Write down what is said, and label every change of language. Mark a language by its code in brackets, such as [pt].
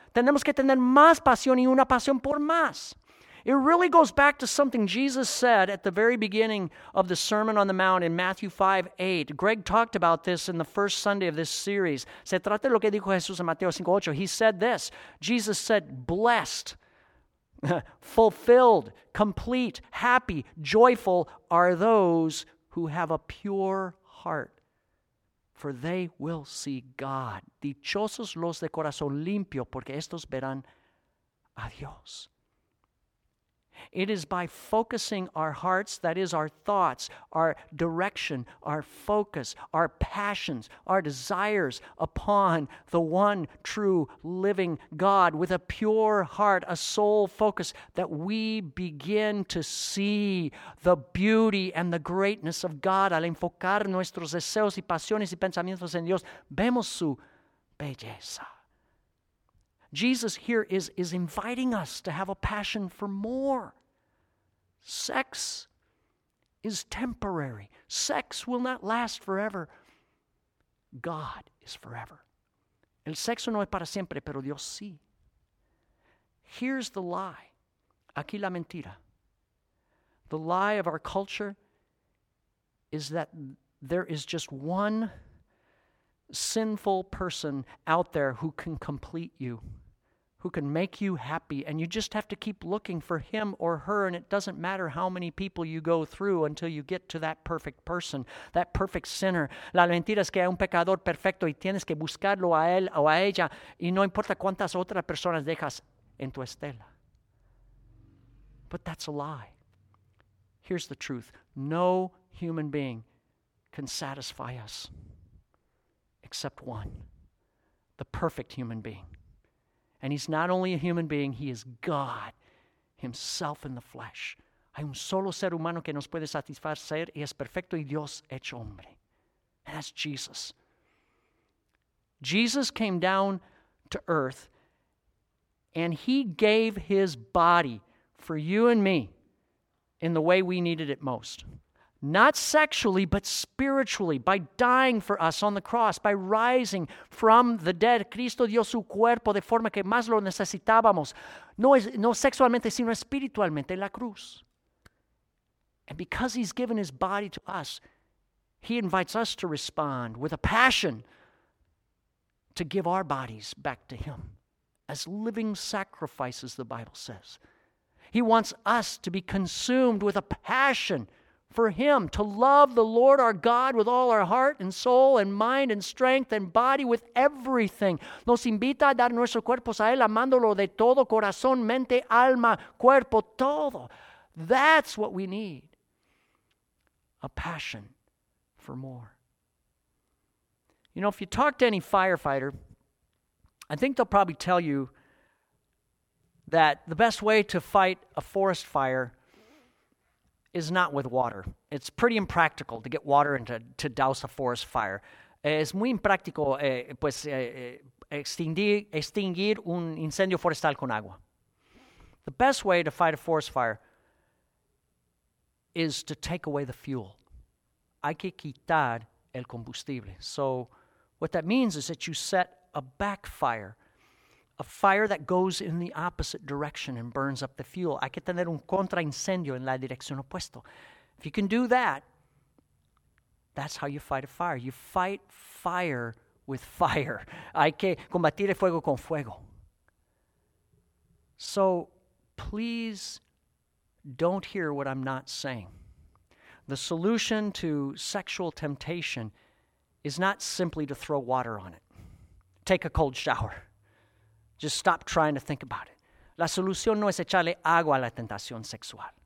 [es] Tenemos que tener más pasión y una pasión por más. [en] It really goes back to something Jesus said at the very beginning of the Sermon on the Mount in Matthew 5:8. Greg talked about this in the first Sunday of this series. [es] Se trata de lo que dijo Jesús en Mateo 5:8. [en] He said this. Jesus said, blessed, fulfilled, complete, happy, joyful are those who have a pure heart, for they will see God. [es] Dichosos los de corazón limpio, porque estos verán a Dios. [en] It is by focusing our hearts, that is our thoughts, our direction, our focus, our passions, our desires upon the one true living God with a pure heart, a soul focus, that we begin to see the beauty and the greatness of God. [es] Al enfocar nuestros deseos y pasiones y pensamientos en Dios, vemos su belleza. [en] Jesus here is inviting us to have a passion for more. Sex is temporary. Sex will not last forever. God is forever. [es] El sexo no es para siempre, pero Dios sí. [en] Here's the lie. [es] Aquí la mentira. [en] The lie of our culture is that there is just one sinful person out there who can complete you, who can make you happy, and you just have to keep looking for him or her, and it doesn't matter how many people you go through until you get to that perfect person, that perfect sinner. [es] La mentira es que hay un pecador perfecto y tienes que buscarlo a él o a ella, y no importa cuántas otras personas dejas en tu estela. [en] But that's a lie. Here's the truth. No human being can satisfy us except one, the perfect human being. And he's not only a human being, he is God himself in the flesh. [es] Hay un solo ser humano que nos puede satisfacer y es perfecto y Dios hecho hombre. [en] And that's Jesus. Jesus came down to earth and he gave his body for you and me in the way we needed it most. Not sexually, but spiritually, by dying for us on the cross, by rising from the dead. [es] Cristo dio su cuerpo de forma que más lo necesitábamos. No sexualmente, sino espiritualmente, en la cruz. [en] And because he's given his body to us, he invites us to respond with a passion to give our bodies back to him as living sacrifices, the Bible says. He wants us to be consumed with a passion for Him, to love the Lord our God with all our heart and soul and mind and strength and body with everything. [es] Nos invita a dar nuestros cuerpos a Él, amándolo de todo, corazón, mente, alma, cuerpo, todo. [en] That's what we need. A passion for more. You know, if you talk to any firefighter, I think they'll probably tell you that the best way to fight a forest fire is not with water. It's pretty impractical to get water and to douse a forest fire. [es] Es muy impractico pues extinguir un incendio forestal con agua. [en] The best way to fight a forest fire is to take away the fuel. [es] Hay que quitar el combustible. [en] So what that means is that you set a backfire, a fire that goes in the opposite direction and burns up the fuel. [es] Hay que tener un contraincendio en la dirección opuesta. [en] If you can do that, that's how you fight a fire. You fight fire with fire. [es] Hay que combatir el fuego con fuego. [en] So please don't hear what I'm not saying. The solution to sexual temptation is not simply to throw water on it. Take a cold shower. Just stop trying to think about it. [es] La solución no es echarle agua a la tentación sexual.